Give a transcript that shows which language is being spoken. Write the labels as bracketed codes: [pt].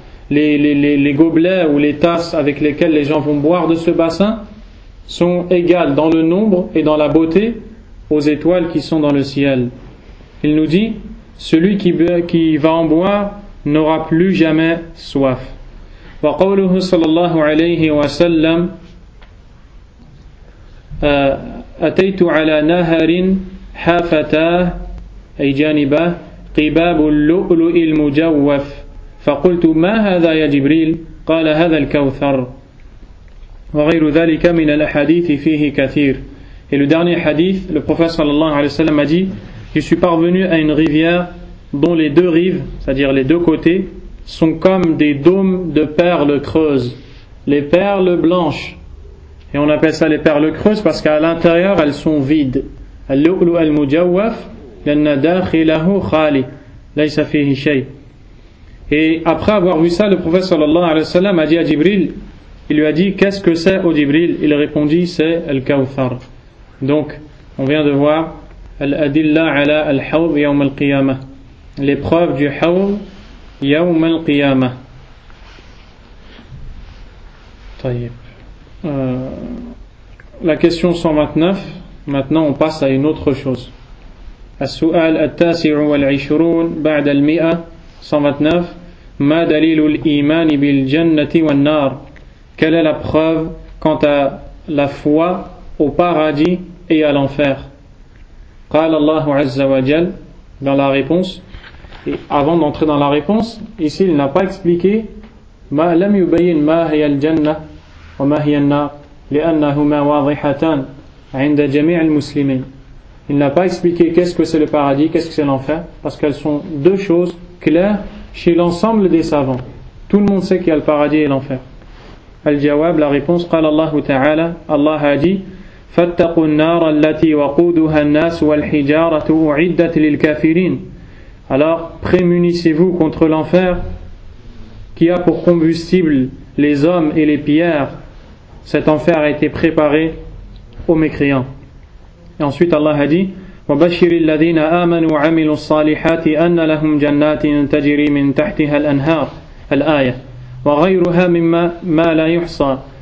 [fr] Les gobelets ou les tasses avec lesquelles les gens vont boire de ce bassin sont égales dans le nombre et dans la beauté aux étoiles qui sont dans le ciel. Il nous dit celui qui va en boire n'aura plus jamais soif. [ar] Wa qawluhu sallallahu alayhi wa sallam ataytu ala naharin hafatah أي جانبه قباب اللؤلؤ المجوف فقلت ما هذا يا جبريل قال هذا الكوثر وغير ذلك من الأحاديث فيه كثير. [fr] Et le dernier hadith, le prophète sallallahu alayhi wa sallam a dit je suis parvenu à une rivière dont les deux rives, c'est-à-dire les deux côtés, sont comme des dômes de perles creuses, les perles blanches, et on appelle ça les perles creuses parce qu'à l'intérieur elles sont vides. [ar] اللؤلؤ المجوف لأن داخله خالي ليس فيه شيء. [fr] Et après avoir vu ça, le prophète sallallahu alayhi wa sallam a dit à Jibril, il lui a dit qu'est-ce que c'est au Jibril? Il répondit c'est Al-Kawthar. Donc on vient de voir [ar] Al-Adilla ala Al-Hawd yawm al-Qiyamah, [fr] l'épreuve du Hawd yawm al-Qiyamah. [ar] Tayyib. [fr] La question 129, maintenant on passe à une autre chose. [ar] السؤال التاسع والعشرون بعد المئة 129 ما دليل الإيمان بالجنة والنار [fr] quelle est la preuve quant à la foi au paradis et à l'enfer. [ar] قال الله عز وجل [fr] dans la réponse. Et avant d'entrer dans la réponse, ici il n'a pas expliqué [ar] ما لم يبين ما هي الجنة وما هي النار لأنهما واضحتان عند جميع المسلمين. [fr] Il n'a pas expliqué qu'est-ce que c'est le paradis, qu'est-ce que c'est l'enfer, parce qu'elles sont deux choses claires chez l'ensemble des savants. Tout le monde sait qu'il y a le paradis et l'enfer. Al-Jawab, la réponse, [ar] قال الله تعالى, [fr] Allah a dit, [ar] فاتقوا النار التي وقودها الناس والحجارة أعدت للكافرين. [fr] Alors prémunissez-vous contre l'enfer qui a pour combustible les hommes et les pierres. Cet enfer a été préparé aux mécréants. Et ensuite Allah a dit: [ar] وبشر الذين آمنوا وعملوا الصالحات أن لهم جنات تجري من تحتها الأنهار. الآية وغيرها مما ما لا يحصى.